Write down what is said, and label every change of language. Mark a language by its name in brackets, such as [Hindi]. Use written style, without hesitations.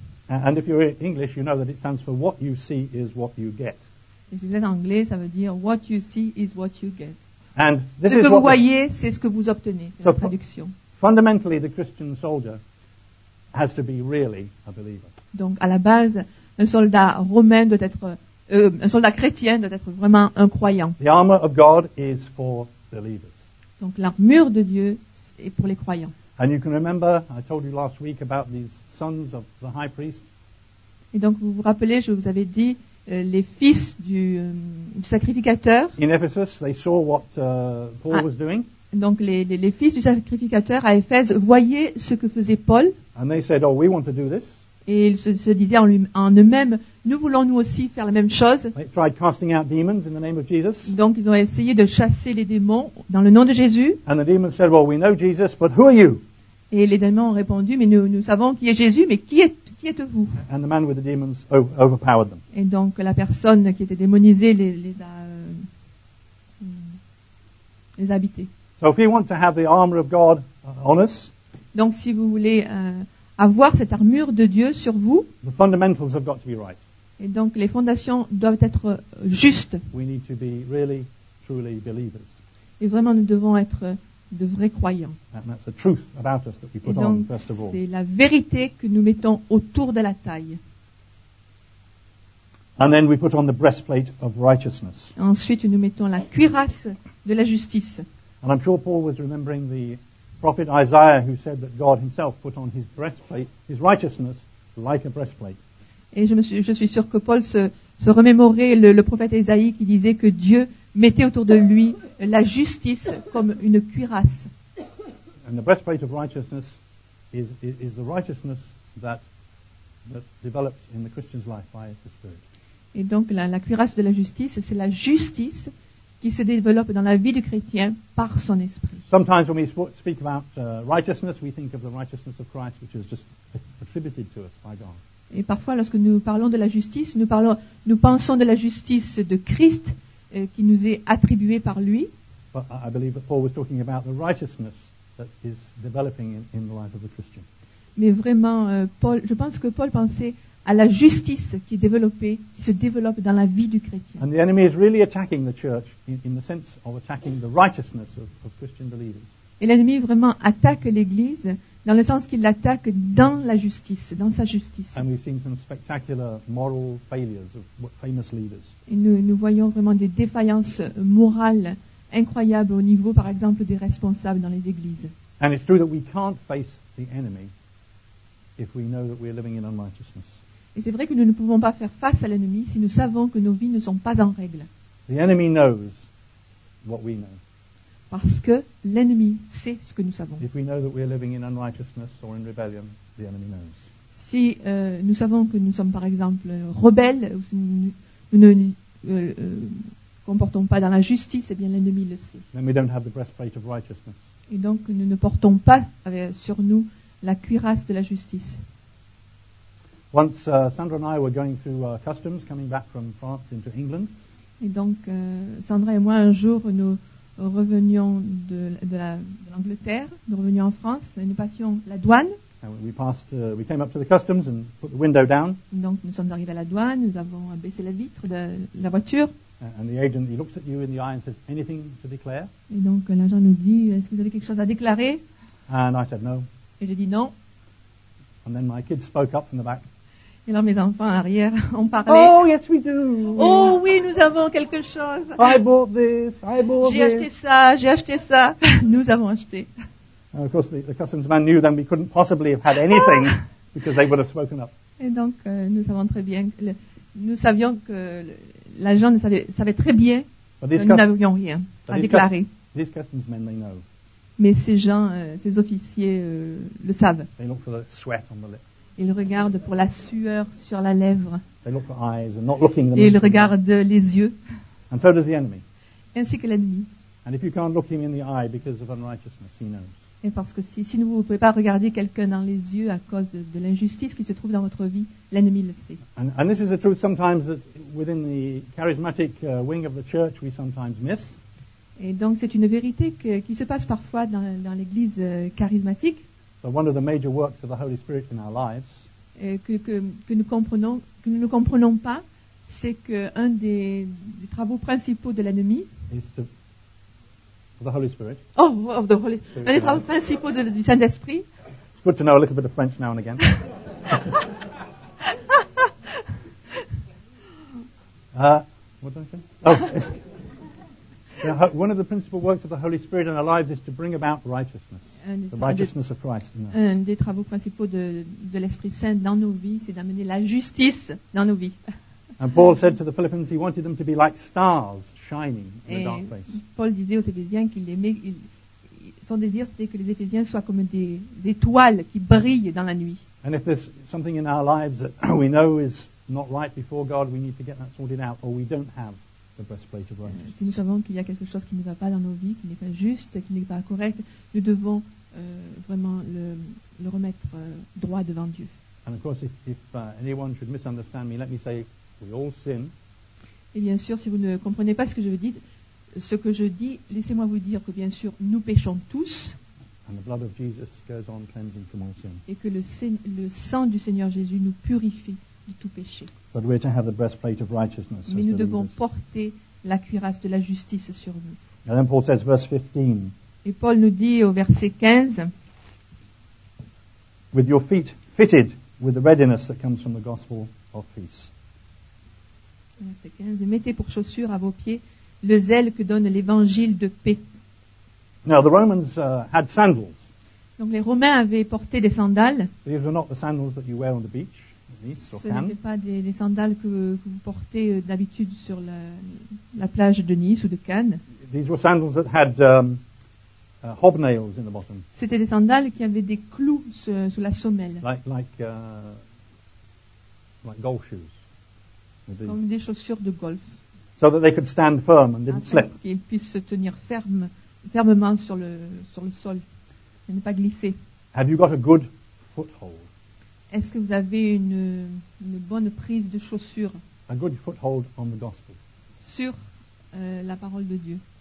[English] And if you're English, you know that it stands for what you see is what you get. [French] Et si vous êtes anglais, ça veut dire [English] what you see is what you get. And this [French] ce [English] is [French] que [English] what [French] vous voyez, c'est ce que vous obtenez. C'est la traduction. [English] Fundamentally, the Christian soldier has to be really a believer. [French] Donc, à la base, un soldat romain doit être un soldat chrétien doit être vraiment un croyant. [English] The armor of God is for believers. [French] Donc l'armure de Dieu est pour les croyants. [English] And you can remember, I told you last week about these sons of the high priest. [French] Et donc vous vous rappelez, je vous avais dit les fils du sacrificateur. [English] In Ephesus, they saw what Paul was doing. [French] Donc les fils du sacrificateur à Éphèse voyaient ce que faisait Paul. [English] And they said, oh, we want to do this. [French] Et ils se disaient en eux-mêmes, nous voulons nous aussi faire la même chose. [English] They tried casting out demons in the name of Jesus. [French] Donc ils ont essayé de chasser les démons dans le nom de Jésus. [English] And the demons said, well, we know Jesus, but who are you? [French] Et les démons ont répondu, mais nous savons qui est Jésus, mais qui êtes-vous? [English] And the man with the demons overpowered them. [French] Et donc la personne qui était démonisée les a habités. [English] So if we want to have the armor of God on us, [French] donc si vous voulez avoir cette armure de Dieu sur vous, [English] the fundamentals have got to be right. [French] Et donc les fondations doivent être justes. [English] We need to be really, truly believers. [French] Et vraiment nous devons être de vrais croyants. [English] And that's the truth about us that we put [French] donc, [English] on, first of all. [French] C'est la vérité que nous mettons autour de la taille. [English] And then we put on the breastplate of righteousness. [French] Ensuite nous mettons la cuirasse de la justice. [English] And I'm sure Paul was remembering the prophet Isaiah who said that God himself put on his breastplate, his righteousness, like a breastplate. [French] Et je suis sûr que Paul se remémorait le prophète Isaïe qui disait que Dieu mettait autour de lui la justice comme une cuirasse. [English] And the breastplate of righteousness is the righteousness that develops in the Christian's life by the Spirit. [French] Et donc la cuirasse de la justice, c'est la justice qui se développe dans la vie du chrétien par son esprit. [English] Sometimes when we speak about righteousness, we think of the righteousness of Christ, which is just attributed to us by God. [French] Et parfois, lorsque nous parlons de la justice, nous pensons de la justice de Christ qui nous est attribuée par lui. [English] But I believe that Paul was talking about the righteousness that is developing in the life of the Christian. [French] Mais vraiment, Paul, je pense que Paul pensait à la justice qui est développée, qui se développe dans la vie du chrétien. [English] And the enemy is really attacking the church in the sense of attacking the righteousness of Christian believers. [French] Et l'ennemi vraiment attaque l'Église dans le sens qu'il l'attaque dans la justice, dans sa justice. [English] And we've seen some spectacular moral failures of famous leaders. [French] Et nous voyons vraiment des défaillances morales incroyables au niveau, par exemple, des responsables dans les églises. [English] And it's true that we can't face the enemy if we know that we're living in unrighteousness. [French] Et c'est vrai que nous ne pouvons pas faire face à l'ennemi si nous savons que nos vies ne sont pas en règle. [English] The enemy knows what we know. [French] Parce que l'ennemi sait ce que nous savons. [English] If we know that we're living in unrighteousness or in rebellion, the enemy knows. [French] Si nous savons que nous sommes par exemple rebelles ou si nous ne comportons pas dans la justice, eh bien l'ennemi le sait. [English] Then we don't have the breastplate of righteousness. [French] Et donc nous ne portons pas sur nous la cuirasse de la justice. [English] Once Sandra and I were going through customs, coming back from France into England. [French] Et donc Sandra et moi un jour nous revenions de l'Angleterre, nous revenions en France et nous passions la douane. [English] And we passed, we came up to the customs and put the window down. [French] Donc nous sommes arrivés à la douane, nous avons baissé la vitre de la voiture. [English] And the agent, he looks at you in the eye and says, anything to declare? [French] Et donc l'agent nous dit, est-ce que vous avez quelque chose à déclarer? [English] And I said no. [French] Et j'ai dit non. [English] And then my kids spoke up from the back. [French] Et là, mes enfants arrière ont parlé. [English] Oh, yes, we do. [French] Oh, oui, nous avons quelque chose. [English] I bought this. [French] J'ai acheté ça. Nous avons acheté. [English] And of course, the customs man knew then we couldn't possibly have had anything because they would have spoken up. [French] Et donc, nous savons très bien. Nous savions que l'agent savait très bien [English] but [French] que nous n'avions rien à déclarer. [English] These customs men, they know. [French] Mais ces gens, ces officiers le savent. [English] They look for the sweat on the lips. [French] Ils regardent pour la sueur sur la lèvre. [English] They look for eyes and not looking them. [French] Et ils regardent les yeux. [English] And so does the enemy. [French] Ainsi que l'ennemi. [English] And if you can't look him in the eye because of unrighteousness, he knows. [French] Et parce que si vous ne pouvez pas regarder quelqu'un dans les yeux à cause de l'injustice qui se trouve dans votre vie, l'ennemi le sait. [English] And this is the truth sometimes that within the charismatic wing of the church we sometimes miss. [French] Et donc c'est une vérité qui se passe parfois dans l'église charismatique. [English] But one of the major works of the Holy Spirit in our lives. [French] Que nous ne comprenons pas, c'est que un des travaux principaux de l'ennemi. Un des travaux principaux du Saint-Esprit. [English] It's good to know a little bit of French now and again. what did I say? Oh. One of the principal works of the Holy Spirit in our lives is to bring about righteousness. righteousness of Christ. [French] Un des travaux principaux de l'Esprit Saint dans nos vies, c'est d'amener la justice dans nos vies. [English] And Paul said to the Philippians, he wanted them to be like stars shining in a dark place. [French] Paul disait aux Éphésiens qu'il aimait, son désir c'était que les Éphésiens soient comme des étoiles qui brillent dans la nuit. [English] And if there's something in our lives that we know is not right before God, we need to get that sorted out, or we don't have the breastplate of righteousness. [French] Si nous savons qu'il y a quelque chose qui ne va pas dans nos vies, qui n'est pas juste, qui n'est pas correct, nous devons vraiment le remettre droit devant Dieu. [English] And of course, if anyone should misunderstand me, let me say, we all sin. [French] Et bien sûr, si vous ne comprenez pas ce que je dis, laissez-moi vous dire que bien sûr, nous péchons tous. [English] And the blood of Jesus goes on cleansing from all sin. [French] Et que le sang du Seigneur Jésus nous purifie de tout péché. [English] But we're to have the breastplate of righteousness. [French] Mais nous devons porter la cuirasse de la justice sur nous. [English] And then Paul says, verse 15. [French] Et Paul nous dit au verset 15. [English] With your feet fitted with the readiness that comes from the gospel of peace. [French] Verset 15. Mettez pour chaussure à vos pieds le zèle que donne l'évangile de paix. [English] Now the Romans had sandals. [French] Donc les Romains avaient porté des sandales. [English] These were not the sandals that you wear on the beach. [French] Ce n'étaient pas des sandales que vous portez d'habitude sur la plage de Nice ou de Cannes. [English] These were sandals that had hobnails in the bottom. [French] C'était des sandales qui avaient des clous sous la semelle. [English] Like golf shoes. [French] Comme des chaussures de golf. [English] So that they could stand firm and didn't slip. [French] Afin qu'ils puissent se tenir fermement sur le sol et ne pas glisser. [English] Have you got a good foothold? [French] Est-ce que vous avez une bonne prise de chaussure? [English] A good foothold on the gospel. [French] Sur la parole de Dieu.